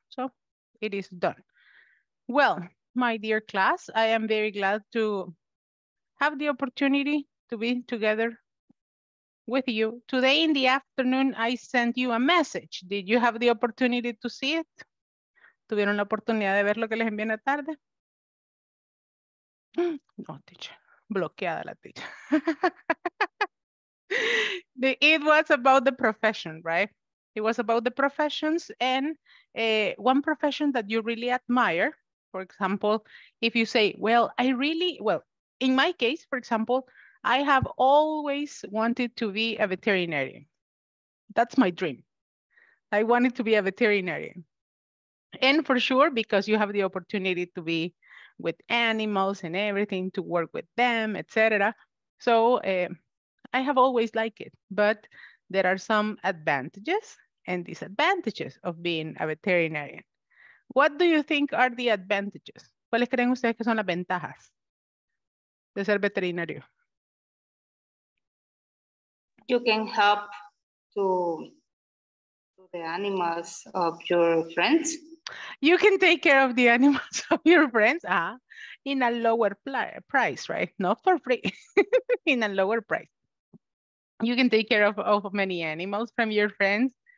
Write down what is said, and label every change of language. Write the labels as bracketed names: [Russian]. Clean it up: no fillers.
[English] So it is done. Well, my dear class, I am very glad to have the opportunity to be together with you. Today in the afternoon, I sent you a message. Did you have the opportunity to see it? [Spanish] ¿Tuvieron la oportunidad de ver lo que les envié en la tarde? No, teacher. Bloqueada la teacher. [English] It was about the profession, right? It was about the professions and one profession that you really admire. For example, if you say, well, I really, well, in my case, for example, I have always wanted to be a veterinarian. That's my dream. I wanted to be a veterinarian. And for sure, because you have the opportunity to be with animals and everything, to work with them, etc. So I have always liked it, but there are some advantages and disadvantages of being a veterinarian. What do you think are the advantages? [Spanish] ¿Cuáles creen ustedes que son las ventajas de ser veterinario? [English] You can help to the animals of your friends. You can take care of the animals of your friends in a lower price, right? Not for free, in a lower price. You can take care of many animals from your friends.